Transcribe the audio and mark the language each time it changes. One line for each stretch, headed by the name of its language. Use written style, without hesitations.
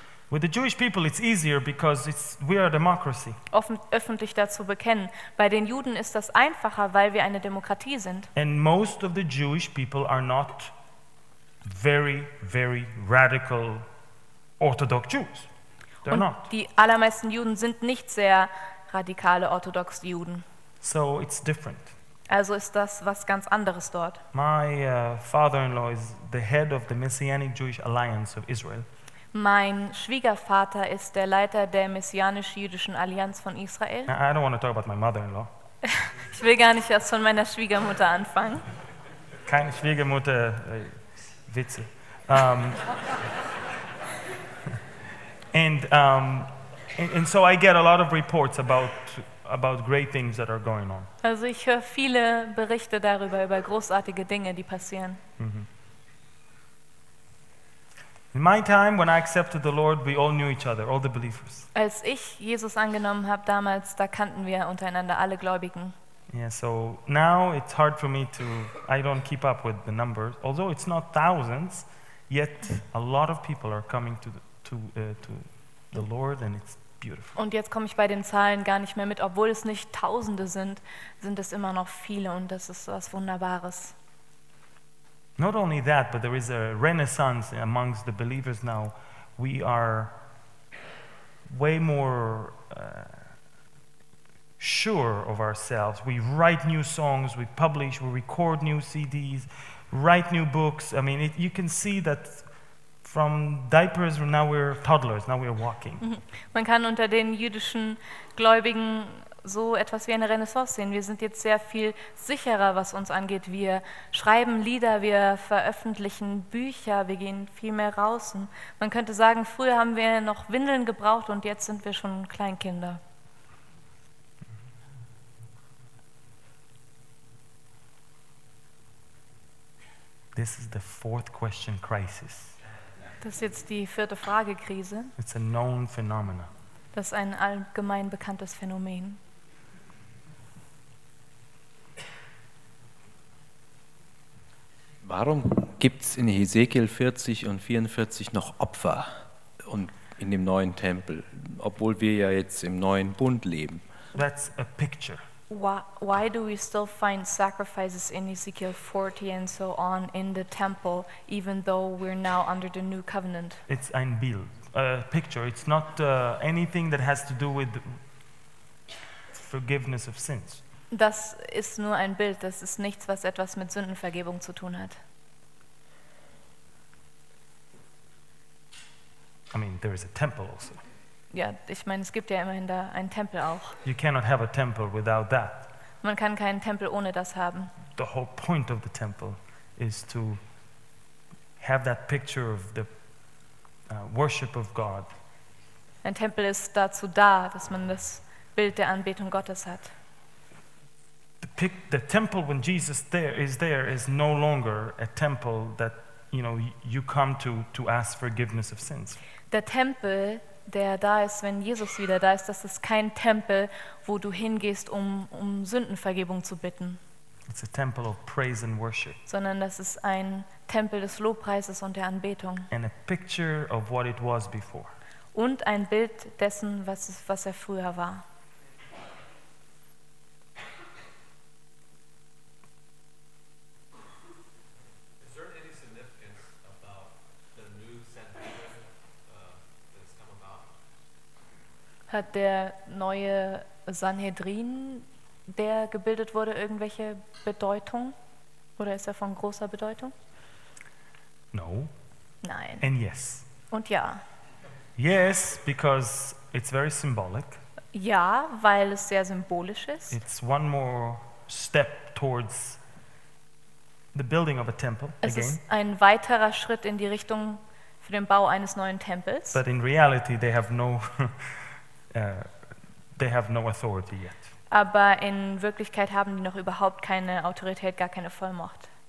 English: With the Jewish people, it's easier because we are a democracy.
German: Öffentlich dazu bekennen. Bei den Juden ist das einfacher, weil wir eine Demokratie sind.
English: And most of the Jewish people are not very, very radical Orthodox Jews. They're not.
German: Die allermeisten Juden sind nicht sehr radikale orthodoxe Juden.
English: So it's different.
German: Also ist das was ganz anderes dort.
English: My father-in-law is the head of the Messianic Jewish Alliance of Israel.
German: Mein Schwiegervater ist der Leiter der Messianisch-Jüdischen Allianz von Israel.
English: I don't want to talk about my mother-in-law.
German: Ich will gar nicht erst von meiner Schwiegermutter anfangen. Keine Schwiegermutter, Witze.
English: And so I get a lot of reports about great things that are going on.
German: Also ich höre viele Berichte darüber, über großartige Dinge, die passieren.
English: In my time when I accepted the Lord, we all knew each other, all the believers.
German: Als ich Jesus angenommen habe damals, da kannten wir untereinander alle Gläubigen.
English: Yeah, so now it's hard for me to, I don't keep up with the numbers. Although it's not thousands, yet a lot of people are coming to the Lord and it's beautiful.
German: Und jetzt komme ich bei den Zahlen gar nicht mehr mit, obwohl es nicht tausende sind, sind es immer noch viele und das ist was Wunderbares.
English: Not only that, but there is a renaissance amongst the believers now. We are way more sure of ourselves. We write new songs, we publish, we record new CDs, write new books. I mean, you can see that from diapers, now we're toddlers, now we're walking.
German: Man kann unter den jüdischen Gläubigen so etwas wie eine Renaissance sehen. Wir sind jetzt sehr viel sicherer, was uns angeht. Wir schreiben Lieder, wir veröffentlichen Bücher, wir gehen viel mehr raus. Und man könnte sagen, früher haben wir noch Windeln gebraucht und jetzt sind wir schon Kleinkinder.
English: This is the fourth question crisis.
German: Das ist jetzt die vierte Fragekrise.
English: It's a known phenomenon.
German: Das ist ein allgemein bekanntes Phänomen. Warum gibt es in Hesekiel 40 und 44 noch Opfer und in dem neuen Tempel, obwohl wir ja jetzt im neuen Bund leben?
English: That's a picture. Why do we still find sacrifices in Ezekiel 40 and so on in the temple, even though we're now under the new covenant? It's
German: ein Bild,
English: a picture. It's not anything that has to do with forgiveness of sins.
German: Das ist nur ein Bild, das ist nichts, was etwas mit Sündenvergebung zu tun hat.
English: I mean, there is a temple also.
German: Ja, ich meine, es gibt ja immerhin da einen Tempel auch.
English: You cannot have a temple without that.
German: Man kann keinen Tempel ohne das haben.
English: The whole point of the temple is to have that picture of the worship of God.
German: Ein Tempel ist dazu da, dass man das Bild der Anbetung Gottes hat.
English: The temple when Jesus is there is no longer a temple that you know you come to ask forgiveness of sins.
German: Der Tempel, der da ist, wenn Jesus wieder da ist, das ist kein Tempel, wo du hingehst, um Sündenvergebung zu bitten.
English: It's a temple of praise and worship.
German: Sondern das ist ein Tempel des Lobpreises und der Anbetung.
English: And a picture of what it was before.
German: Und ein Bild dessen, was er früher war. Hat der neue Sanhedrin, der gebildet wurde, irgendwelche Bedeutung? Oder ist er von großer Bedeutung?
English: No.
German: Nein.
English: And yes.
German: Und ja.
English: Yes, because it's very symbolic.
German: Ja, weil es sehr symbolisch ist.
English: It's one more step towards the building of a temple again.
German: Es ist ein weiterer Schritt in die Richtung für den Bau eines neuen Tempels.
English: But in reality, they have no. They have no authority yet.
German: Aber in Wirklichkeit haben die noch überhaupt keine Autorität, gar keine Vollmacht.